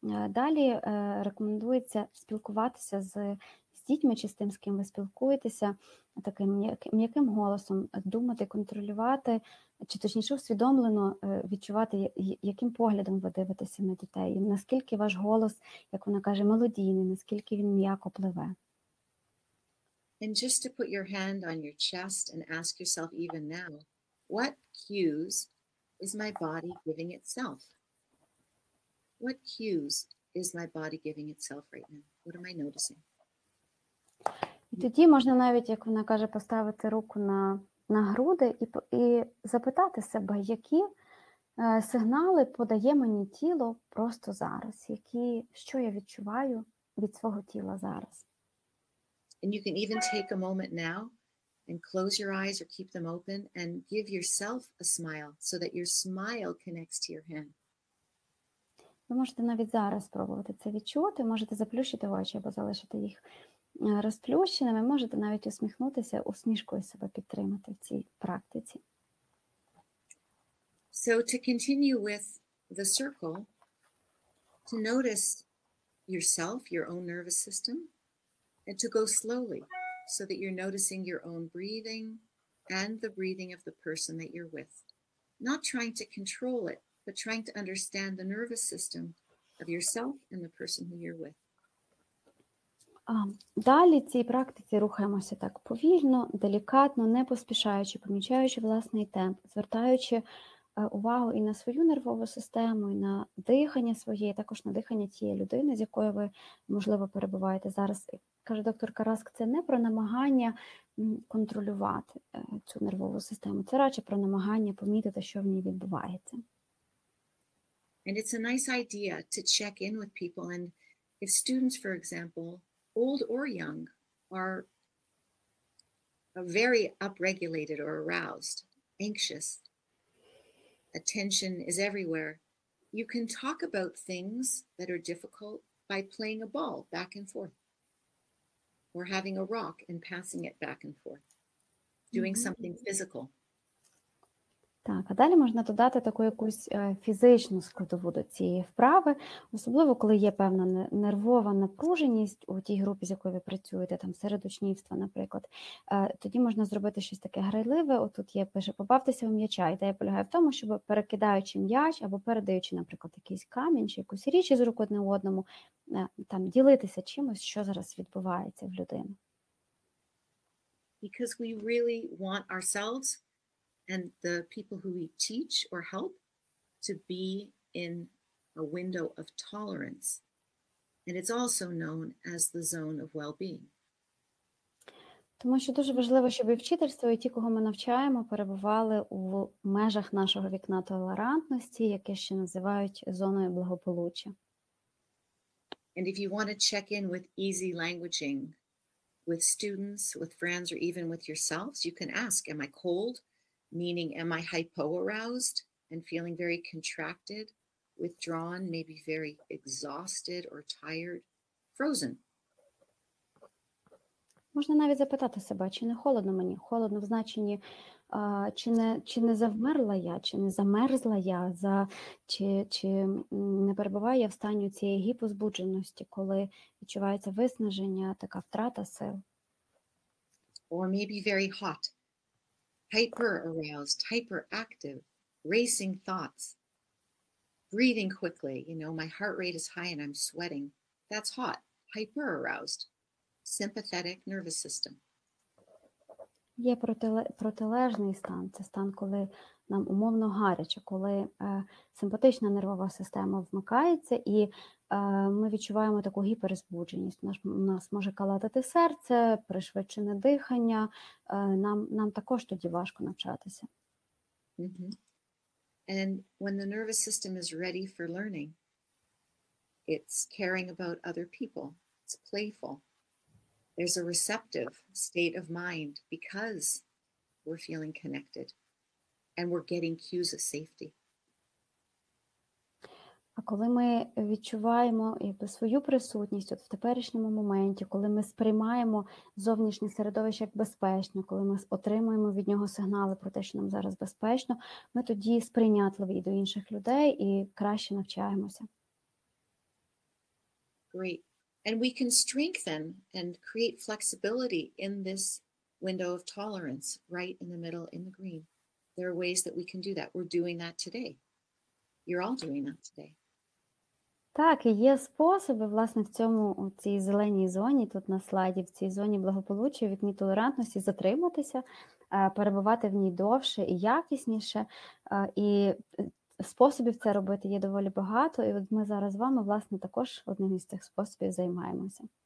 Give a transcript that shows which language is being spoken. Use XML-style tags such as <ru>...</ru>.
<uk>Далі рекомендується спілкуватися з дітьми чи з тим, з ким ви спілкуєтеся, таким м'яким голосом думати, контролювати, чи точніше усвідомлено відчувати, яким поглядом ви дивитеся на дітей, і наскільки ваш голос, як вона каже, мелодійний, наскільки він м'яко пливе.</uk> <en>And just to put your hand on your chest and ask yourself even now, what cues is my body giving itself? What cues is my body giving itself right now? What am I noticing?</en> <uk>І тоді можна навіть, як вона каже, поставити руку на груди і запитати себе, які сигнали подає мені тіло просто зараз, що я відчуваю від свого тіла зараз.</uk> <en>And you can even take a moment now and close your eyes or keep them open and give yourself a smile so that your smile connects to your hand.</en> <uk>Ви можете навіть зараз спробувати це відчути, можете заплющити очі або залишити їх розплющеними, можете навіть усміхнутися, усмішкою себе підтримати в цій практиці.</uk> <en>So to continue with the circle, to notice yourself, your own nervous system, and to go slowly so that you're noticing your own breathing, and the breathing of the person that you're with. Not trying to control it, but trying to understand the nervous system of yourself and the person who you're with.</en> <uk>Далі в цій практиці рухаємося так повільно, делікатно, не поспішаючи, помічаючи власний темп, звертаючи увагу і на свою нервову систему, і на дихання своє, і також на дихання тієї людини, з якою ви, можливо, перебуваєте зараз. Каже доктор Караск, це не про намагання контролювати цю нервову систему, це радше про намагання помітити, що в ній відбувається.</uk> <en>And it's a nice idea to check in with people, and if students, for example, old or young, are very upregulated or aroused, anxious, attention is everywhere, you can talk about things that are difficult by playing a ball back and forth, or having a rock and passing it back and forth, doing something physical.</en> <uk>Так, а далі можна додати таку якусь фізичну складову до цієї вправи, особливо, коли є певна нервова напруженість у тій групі, з якою ви працюєте, там серед учнівства, наприклад, тоді можна зробити щось таке грайливе. Отут є, пише, побавтеся у м'яча. Ідея полягає в тому, щоб перекидаючи м'яч або передаючи, наприклад, якийсь камінь чи якусь річ із рук одне одному, там ділитися чимось, що зараз відбувається в людини.</uk> <en>Because we really want ourselves and the people who we teach or help to be in a window of tolerance. And it's also known as the zone of well-being.</en> <uk>Тому що дуже важливо, щоб і вчительство, і ті, кого ми навчаємо, перебували у межах нашого вікна толерантності, яке ще називають зоною благополуччя.</uk> <en>And if you want to check in with easy languaging, with students, with friends, or even with yourselves, you can ask, am I cold? Meaning, am I hypo-aroused and feeling very contracted, withdrawn, maybe very exhausted or tired, frozen?</en> <uk>Можна навіть запитати себе, чи не холодно мені? Холодно в значенні, чи не завмерла я, чи не замерзла я, чи не перебуваю я в стані цієї гіпозбудженості, коли відчувається виснаження, така втрата сил?</uk> <en>Or maybe very hot. Hyper-aroused, hyper-active, racing thoughts, breathing quickly, you know, my heart rate is high and I'm sweating. That's hot, hyper-aroused, sympathetic nervous system.</en> <uk>Є протилежний стан, це стан, коли нам умовно гаряче, коли симпатична нервова система вмикається і ми відчуваємо таку гіперзбудженість. У нас може калатати серце, пришвидшене дихання, нам також тоді важко навчатися. Mm-hmm.</uk> <en>And when the nervous system is ready for learning, it's caring about other people, it's playful. There's a receptive state of mind because we're feeling connected and we're getting cues of safety.</en> <uk>А коли ми відчуваємо якби свою присутність от в теперішньому моменті, коли ми сприймаємо зовнішнє середовище як безпечне, коли ми отримуємо від нього сигнали про те, що нам зараз безпечно, ми тоді сприйнятливі до інших людей і краще навчаємося.</uk> <en>Great. And we can strengthen and create flexibility in this window of tolerance, right in the middle, in the green. There are ways that we can do that. We're doing that today. You're all doing that today.</en> <uk>Так, є способи, власне, в цій зеленій зоні, тут на слайді, в цій зоні благополуччя, вікні толерантності, затриматися, перебувати в ній довше і якісніше. І способів це робити є доволі багато, і от ми зараз з вами, власне, також одним із цих способів займаємося.</uk>